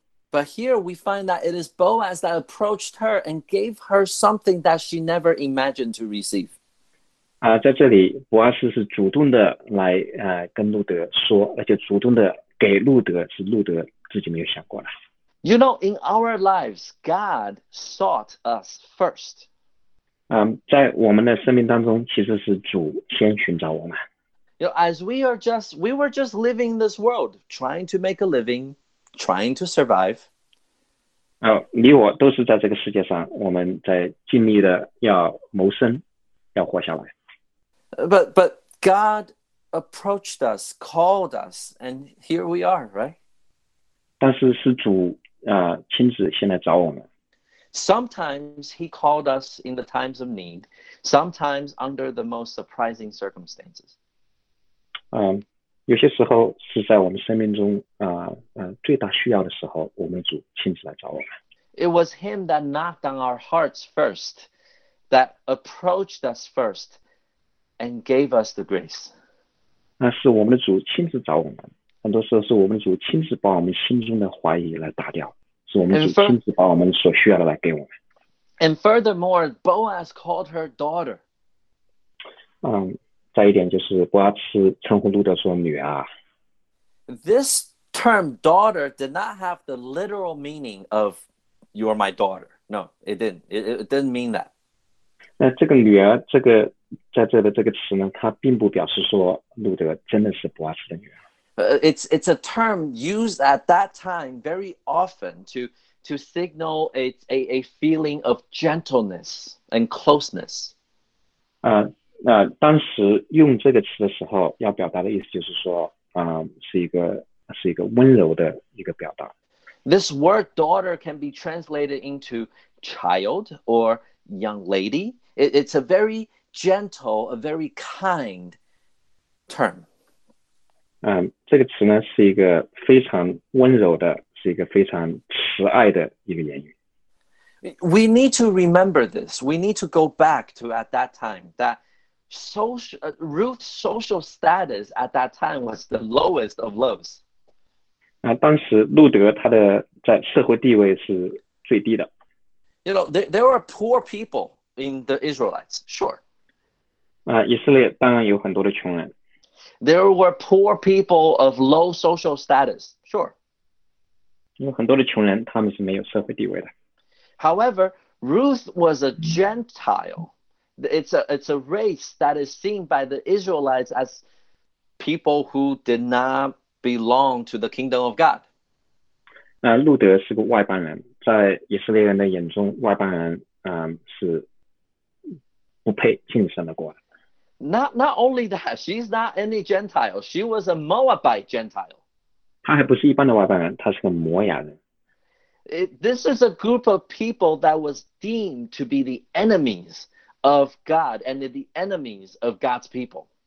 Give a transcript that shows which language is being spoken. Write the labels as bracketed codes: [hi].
[en] But here we find that it is Boaz that approached her and gave her something that she never imagined to receive. [zh] 在这里，伯阿斯是主动的来跟路德说，而且主动的给路德，是路德自己没有想过的。 [en] You know, in our lives, God sought us first. [zh] 在我们的生命当中，其实是主先寻找我们。 [en] You know, as we were just living this world, trying to make a living, trying to survive. [zh] 你我都是在这个世界上，我们在尽力的要谋生，要活下来。 [en] But God approached us, called us, and here we are, right? [zh] 但是主亲自先来找我们。 [en] Sometimes he called us in the times of need, sometimes under the most surprising circumstances. [zh] 有些时候是在我们生命中最大需要的时候，我们主亲自来找我们。 [en] It was him that knocked on our hearts first, that approached us first, and gave us the grace. [zh] 是我们的主亲自找我们，很多时候是我们的主亲自把我们心中的怀疑来打掉，是我们 [en] And [zh] 主亲自把我们所需要的来给我们。 [en] And furthermore, Boaz called her daughter. [zh] 再一点就是波阿斯称呼路德说女儿。 [en] This term daughter did not have the literal meaning of you are my daughter. No, it didn't. It didn't mean that. [zh] 那这个女儿这个在这的这个词呢，它并不表示说路德真的是波阿斯的女儿。 [en] It's a term used at that time very often to signal a feeling of gentleness and closeness. [zh] 那当时用这个词的时候，要表达的意思就是说，是一个温柔的一个表达。 [en] This word daughter can be translated into child or young lady. It's a very gentle, a very kind term. [zh] 这个词呢是一个非常温柔的，是一个非常慈爱的一个言语。 [en] We need to remember this. We need to go back to at that time that Ruth's social status at that time was the lowest of lows. [zh] 当时路德他的在社会地位是最低的。 [en] You know, there were poor people in the Israelites, sure. [zh] 以色列当然有很多的穷人。 [en] There were poor people of low social status, sure. [zh] 有很多的穷人他们是没有社会地位的。 [en] However, Ruth was a Gentile. It's a race that is seen by the Israelites as people who did not belong to the kingdom of God. [zh] 路德是个外邦人，在以色列人的眼中，外邦人是不配进神的国的。 [en] Not only that, she's not any Gentile. She was a Moabite Gentile. [zh] 她还不是一般的外邦人，她是个摩亚人。 [en] This is a group of people that was deemed to be the enemies of God and the enemies of God's people.